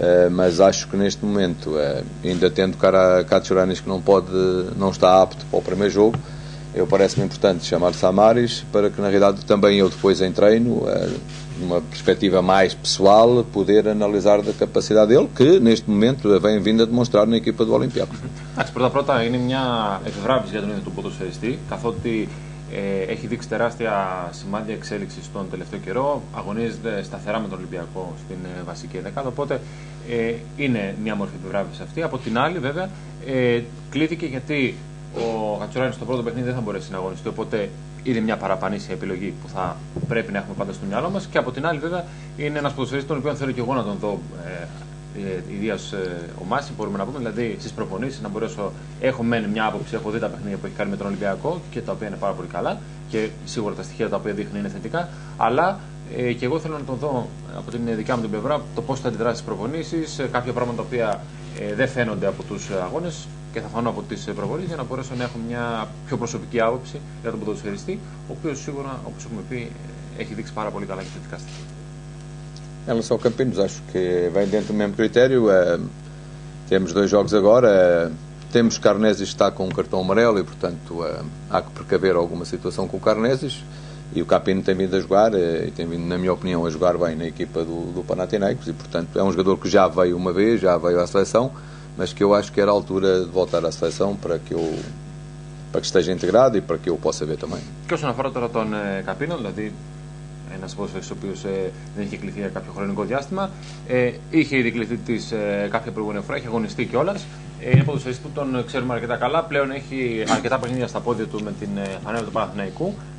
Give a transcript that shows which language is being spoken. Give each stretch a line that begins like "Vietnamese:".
Portuguese: mas acho que neste momento, ainda tendo cara a Katsuranis que não está apto para o primeiro jogo, eu parece-me importante chamar Samaris para que na realidade também eu depois em treino, numa perspectiva mais pessoal, poder analisar da capacidade dele, que neste momento vem vindo a demonstrar na equipa do Olympiacos. Acho que pronto, é uma
Greek: efevrábis για τον ποδοσφαιριστή, καθότι έχει δείξει τεράστια σημάδια εξέλιξη στον τελευταίο καιρό, αγωνίζεται σταθερά με τον Ολυμπιακό στην βασική δεκάδα, οπότε είναι μια μορφή επιβράβευση αυτή. Από την άλλη, βέβαια, κλείθηκε γιατί ο Κατσουράνης στο πρώτο παιχνίδι δεν θα μπορέσει να αγωνιστεί, οπότε είναι μια παραπανήσια επιλογή που θα πρέπει να έχουμε πάντα στο μυαλό μας. Και από την άλλη, βέβαια, είναι ένας ποδοσφαιριστής τον οποίο θέλω και εγώ να τον δω. Ιδίως ο Μάση, μπορούμε να πούμε, δηλαδή στις προπονήσεις να μπορέσω. Έχω μεν μια άποψη, έχω δει τα παιχνίδια που έχει κάνει με τον Ολυμπιακό και τα οποία είναι πάρα πολύ καλά και σίγουρα τα στοιχεία τα οποία δείχνει είναι θετικά. Αλλά και εγώ θέλω να τον δω από την δικιά μου την πλευρά το πώς θα αντιδράσει στις προπονήσεις, κάποια πράγματα τα οποία δεν φαίνονται από τους αγώνες και θα φανούν από τις προπονήσεις για να μπορέσω να έχω μια πιο προσωπική άποψη για τον ποδοσφαιριστή, ο οποίος σίγουρα, όπως έχουμε πει, έχει δείξει πάρα πολύ καλά και θετικά στοιχεία.
Portuguese: Em relação ao Campinos, acho que vem dentro do mesmo critério. Temos dois jogos agora. Temos Carnesis que está com um cartão amarelo e, portanto, há que precaver alguma situação com o Carnesis. E o Campino tem vindo a jogar e tem vindo, na minha opinião, a jogar bem na equipa do Panathinaikos. E, portanto, é um jogador que já veio uma vez, já veio à seleção, mas que eu acho que era a altura de voltar à seleção para que eu... para que esteja integrado e para que eu possa ver também. Que se não for agora o Campino,
Greek: ένας ποδοσφαιριστής ο οποίος δεν είχε κληθεί για κάποιο χρονικό διάστημα. Είχε ήδη κληθεί κάποια προηγούμενη φορά, είχε αγωνιστεί κιόλας. Είναι ποδοσφαιριστής που τον ξέρουμε αρκετά καλά. Πλέον έχει αρκετά παιχνίδια στα πόδια του με την φανέλα του Παναθηναϊκού.